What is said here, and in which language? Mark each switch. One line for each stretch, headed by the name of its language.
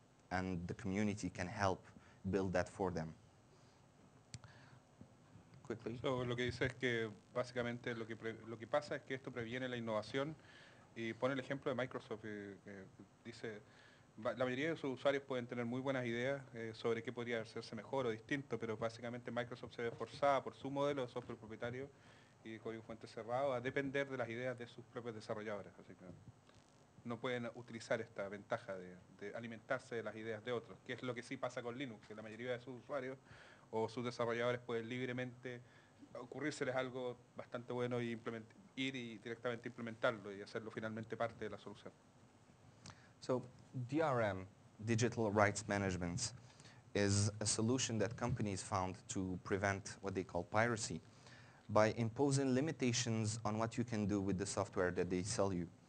English: and the community can help build that for them. Quickly.
Spanish: So lo que dice es que básicamente lo que pasa es que esto previene la innovación y pone el ejemplo de Microsoft que dice la mayoría de sus usuarios pueden tener muy buenas ideas sobre qué podría hacerse mejor o distinto, pero básicamente Microsoft se ve forzada por su modelo de software propietario y de código fuente cerrado a depender de las ideas de sus propios desarrolladores. Así que no pueden utilizar esta ventaja de alimentarse de las ideas de otros, que es lo que sí pasa con Linux, que la mayoría de sus usuarios o sus desarrolladores pueden libremente ocurrírseles algo bastante bueno y directamente implementarlo y hacerlo finalmente parte de la solución.
English: So DRM, Digital Rights Management, is a solution that companies found to prevent what they call piracy by imposing limitations on what you can do with the software that they sell you.